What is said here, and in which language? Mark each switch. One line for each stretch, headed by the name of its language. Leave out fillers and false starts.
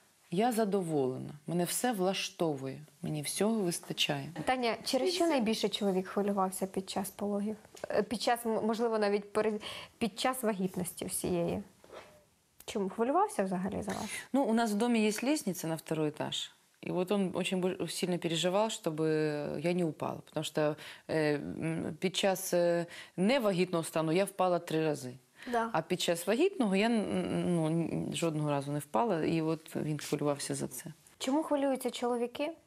Ukrainian: Я задоволена. Мене все влаштовує. Мені всього вистачає. Таня, через що найбільше чоловік хвилювався під час пологів? Під час, можливо, навіть під час вагітності всієї? Чому хвилювався взагалі за вас? Ну, у нас в домі є лестниця
Russian: на второй этаж. И вот он очень сильно переживал, чтобы я не упала. Потому что
Ukrainian: під час невагітного стану я впала 3 рази. Да. А під час вагітного я жодного разу не впала. І от він хвилювався за це. Чому хвилюються чоловіки?